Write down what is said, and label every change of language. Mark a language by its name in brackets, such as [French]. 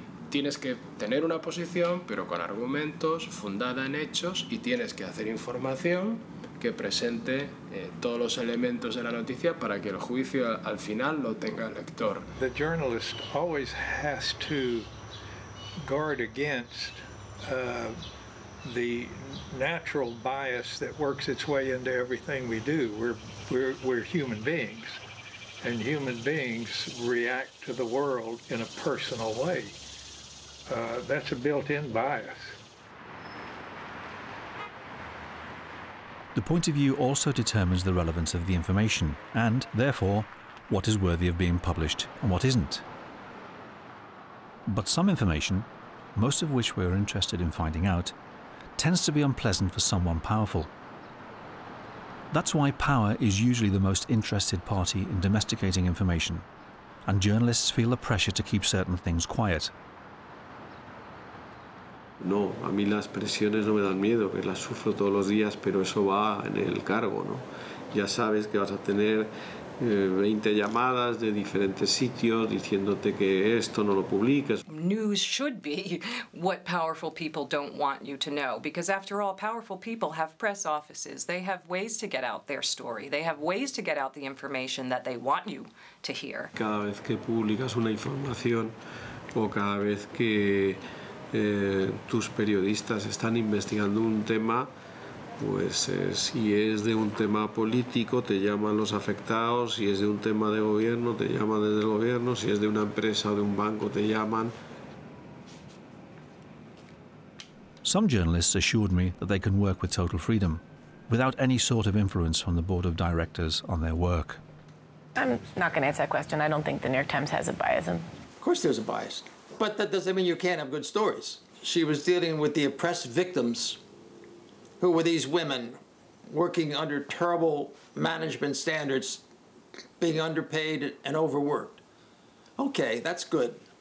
[Spanish] tienes que tener una posición, pero con argumentos, fundada en hechos, y tienes que hacer información que presente todos los elementos de la noticia para que el juicio al final lo tenga el lector. [English] The journalist always has to guard against the natural bias that works its way into everything we do. We're human beings, and human beings react to the world in a personal way. That's a built-in bias. The point of view also determines the relevance of the information, and, therefore, what is worthy of being published and what isn't. But some information, most of which we're interested in finding out, tends to be unpleasant for someone powerful. That's why power is usually the most interested party in domesticating information, and journalists feel the pressure to keep certain things quiet. [Spanish] No, a mí las presiones no me dan miedo, que las sufro todos los días, pero eso va en el cargo, ¿no? Ya sabes que vas a tener 20 llamadas de diferentes sitios diciéndote que esto no lo publiques. [English] News should be what powerful people don't want you to know, because after all, powerful people have press offices. They have ways to get out their story. They have ways to get out the information that they want you to hear. [Spanish] Cada vez que publicas una información o cada vez que tus periodistas están investigando un tema, pues si es de un tema político te llaman los afectados, si es de un tema de gobierno te llaman desde el gobierno, si es de una empresa o de un banco te llaman. [English] Some journalists assured me that they can work with total freedom, without any sort of influence from the board of directors on their work. I'm not going to answer that question. I don't think the New York Times has a bias. Of course there's a bias. But that doesn't mean you can't have good stories. She was dealing with the oppressed victims, who were these women working under terrible management standards, being underpaid and overworked. Okay, that's good.